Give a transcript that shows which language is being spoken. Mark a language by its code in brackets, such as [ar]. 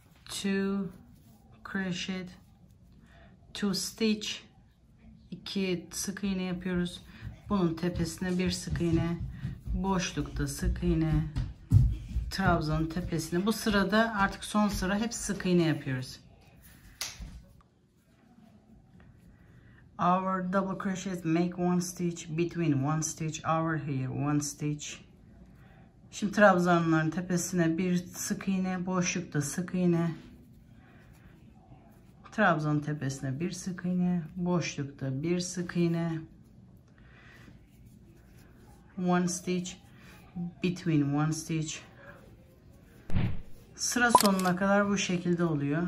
[en] Two crochet. Two stitch. [tr] İki sık iğne yapıyoruz. Bunun tepesine bir sık iğne. Boşlukta sık iğne. Trabzanın tepesine. Bu sırada artık son sıra hep sık iğne yapıyoruz. [en] Our double crochets, make one stitch, between one stitch, our here, one stitch. [tr] Şimdi trabzanların tepesine bir sık iğne, boşlukta sık iğne. Trabzanın tepesine bir sık iğne, boşlukta bir sık iğne. [en] One stitch, between one stitch. [tr] Sıra sonuna kadar bu şekilde oluyor.